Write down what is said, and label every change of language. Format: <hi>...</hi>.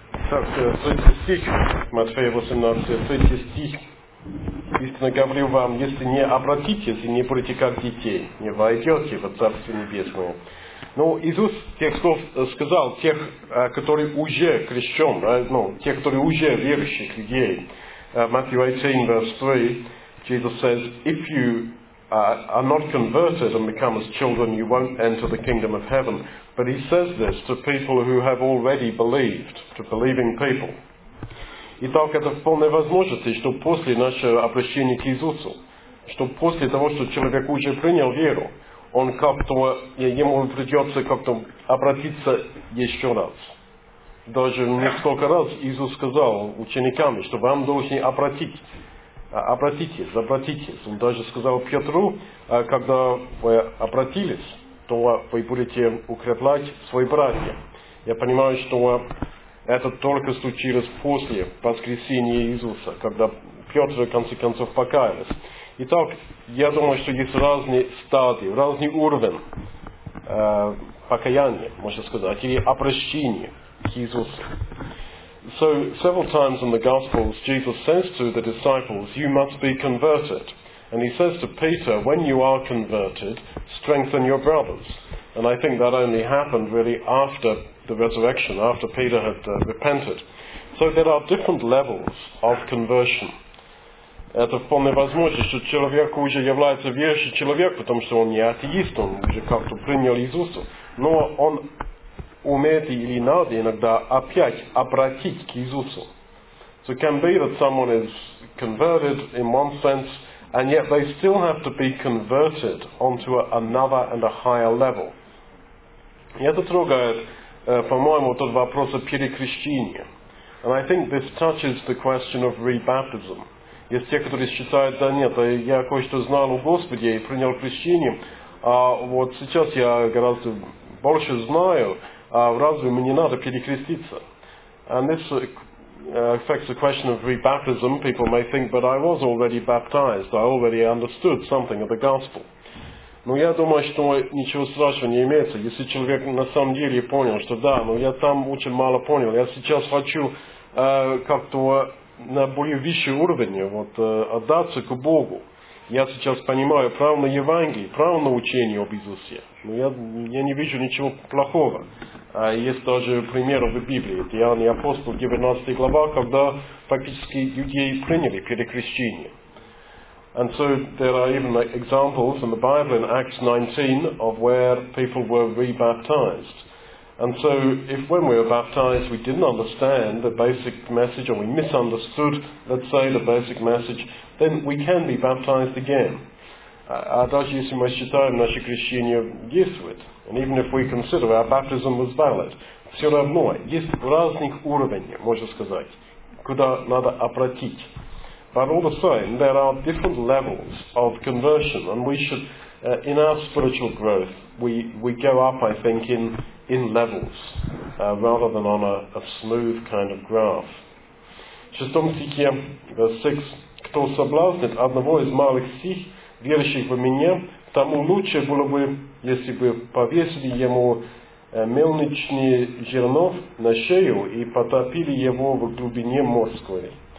<ru>Царствие, стих, Матфея 18, 3 стих. Истинно говорю вам, если не обратитесь и не будете как детей, не войдете в Царствие Небесное. Но Иисус тех слов сказал тех, которые уже крещен, ну, тех, которые уже верующих людей.</ru> <en>Matthew 18, verse 3, Jesus says, if you are not converted and become as children, you won't enter the kingdom of heaven. But he says this to people who have already believed, to believing people.</en> <ru>Итак, это вполне возможно, что после нашего обращения к Иисусу, что после того, что человек уже принял веру, он как-то, ему придется как-то обратиться еще раз. Даже несколько раз Иисус сказал ученикам, что вам должны обратитесь. Он даже сказал Петру, когда вы обратились, то вы будете укреплять свои братья. Я понимаю, что это только случилось после воскресения Иисуса, когда Петр в конце концов покаялся. Итак, я думаю, что есть разные стадии, разный уровень покаяния, можно сказать, или обращения к Иисусу.</ru> <en>So, several times in the Gospels, Jesus says to the disciples, you must be converted. And he says to Peter, when you are converted, strengthen your brothers. And I think that only happened really after the resurrection, after Peter had repented. So there are different levels of conversion.</en> <ru>Это вполне возможно, что человек уже является верующим человеком, потому что он не атеист, он уже как-то принял Иисуса. Но он умеет или надо иногда опять обратить к Иисусу.</ru> <en>So it can be that someone is converted in one sense, and yet they still have to be converted onto another and a higher level.</en> <ru>И это трогает, по-моему, тот вопрос о перекрещении.</ru> <en>And I think this touches the question of rebaptism.</en> <ru>Есть те, которые считают, да нет, я кое-что знал о Господе и принял крещение, а вот сейчас я гораздо больше знаю, а разве мне надо перекреститься?</ru> <en>And this affects the question of rebaptism. People may think, but I was already baptized, I already understood something of the gospel.</en> <ru>Но я думаю, что ничего страшного не имеется, если человек на самом деле понял, что да, но я там очень мало понял, я сейчас хочу как-то на более высшем уровне, вот, отдаться к Богу. Я сейчас понимаю право на Евангелие, право на учение об Иисусе. Но я не вижу ничего плохого. Есть даже примеры в Библии, Деяния апостолов, 19 глава, когда фактически иудеи приняли перекрещение.</ru> <en>And so there are even examples in the Bible in Acts 19 of where people were rebaptized. And so, if when we were baptized, we didn't understand the basic message, or we misunderstood, let's say, the basic message, then we can be baptized again.</en> <ru>Даже если мы считаем наше крещение действует,</ru> <en>and even if we consider our baptism was valid,</en> <ru>все равно есть разных уровней, можно сказать, куда надо обратить.</ru> <en>But all the same, there are different levels of conversion, and we should, in our spiritual growth, we go up, I think, in levels, rather than on a smooth kind of graph.</en> <ru>В шестом стихе,</ru> <en>verse 6,</en> <ru>кто соблазнит одного из малых сих, верующих в меня, тому лучше было бы, если бы повесили ему мельничный жернов на шею и потопили его в глубине морской.</ru>